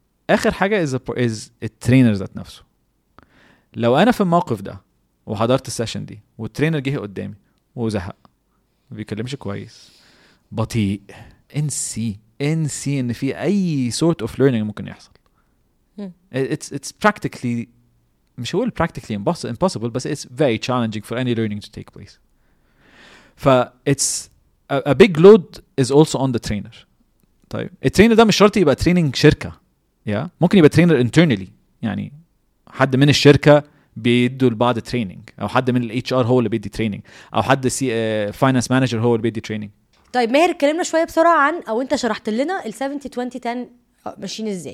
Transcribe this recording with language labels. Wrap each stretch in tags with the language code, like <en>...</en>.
<ar>اخر حاجة is الترينر ذات نفسه. لو انا في الموقف ده وحضرت السيشن دي والترينر جه قدامي وزهق بيكلمش كويس بطيء, انسي ان في اي</ar> <en>sort of learning</en> <ar>ممكن يحصل.</ar> <en>It's practically,</en> <ar>مش هقول</ar> <en>practically impossible, but it's very challenging for any learning to take place. It's a big load is also on the trainer.</en> <ar>طيب الترينر ده مش شرط يبقى training شركة. Yeah. ممكن يبقى trainer internally. يعني حد من الشركة بيدوا لبعض training. او حد من ال HR هو اللي بيدي training. او حد finance manager هو اللي بيدي training. طيب ماهر اتكلمنا شويه بسرعه عن او انت شرحت لنا ال 70 20 10 ماشيين ازاي.</ar>